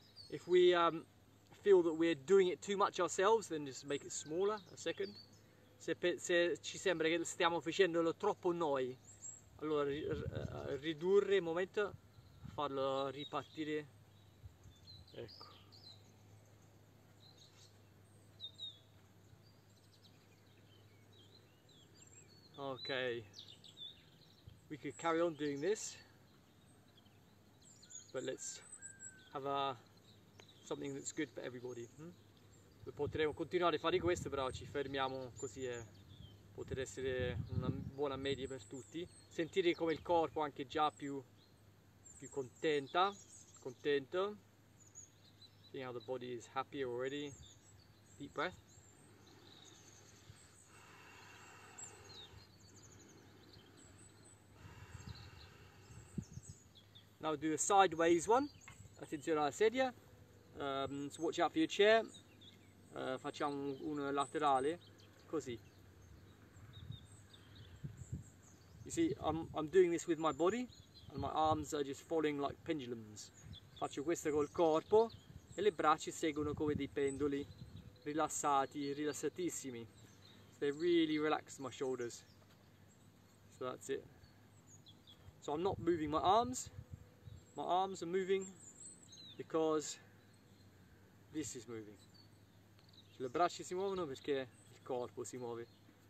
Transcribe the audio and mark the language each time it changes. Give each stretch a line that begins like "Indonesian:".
English: If we feel that we're doing it too much ourselves, then just make it smaller a second.
Italian: Se ci sembra che stiamo facendolo troppo noi, allora ridurre un momento, farlo ripartire. Ecco.
English: Ok, we could carry on doing this, but let's have a something that's good for everybody.
Italian: Potremmo continuare a fare questo, però ci fermiamo così e poter essere una buona media per tutti. Sentire come il corpo anche già più contenta, contento.
English: Seeing how the body is happier already. Deep breath. Now do a sideways one.
Italian: Attenzione alla sedia.
English: So watch out for your chair.
Italian: Facciamo un laterale così.
English: You see, I'm doing this with my body and my arms are just falling like pendulums.
Italian: Faccio questo col corpo e le braccia seguono come dei pendoli, rilassati, rilassatissimi.
English: So they really relax my shoulders. So that's it. So I'm not moving my arms. My arms are moving because this is moving.
Italian: Le braccia si muovono perché il corpo si muove.